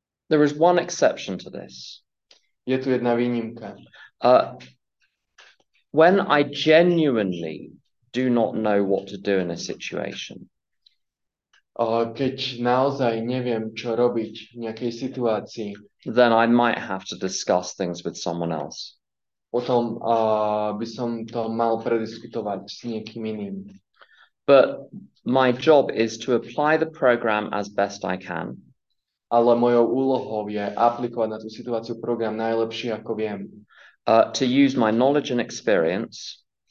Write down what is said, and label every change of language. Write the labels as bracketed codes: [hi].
[en] There is one exception to this. [sk] Je tu jedna výnimka. [en] When I genuinely do not know what to do in a situation. [sk] Keď naozaj neviem, čo robiť v nejakej situácii, [en] then I might have to discuss things with someone else. [sk] Potom by som to mal prediskutovať s niekým iným. [en] But my job is to apply the program as best I can. [sk] Ale mojou úlohou je aplikovať na tú situáciu program najlepšie, ako viem. [en] To use my knowledge and experience.